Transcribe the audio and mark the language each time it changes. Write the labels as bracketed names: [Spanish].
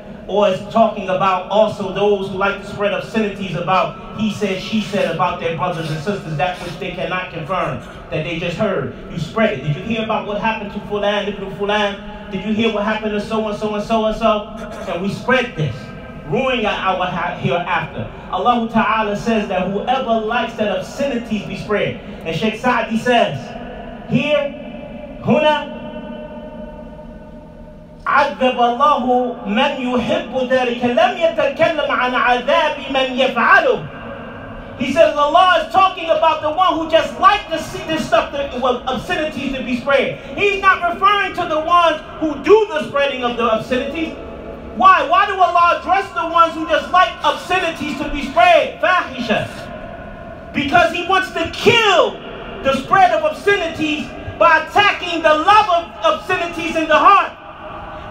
[English] Or it's talking about also those who like to spread obscenities about he said, she said about their brothers and sisters, that which they cannot confirm, that they just heard. You spread it. Did you hear about what happened to Fulan, Ibn Fulan? Did you hear what happened to so-and-so? And we spread this, ruining our hereafter. Allah Ta'ala says that whoever likes that obscenities be spread. And Sheikh Saadi says, here, huna, [Arabic] عذب الله من يحب ذلك لم يتكلم عن عذاب من يفعله. [English] He says Allah is talking about the one who just likes to see this stuff, the obscenities to be spread. He's not referring to the ones who do the spreading of the obscenities. Why? Why do Allah address the ones who just like obscenities to be spread? Fahisha. Because He wants to kill the spread of obscenities by attacking the love of obscenities in the heart.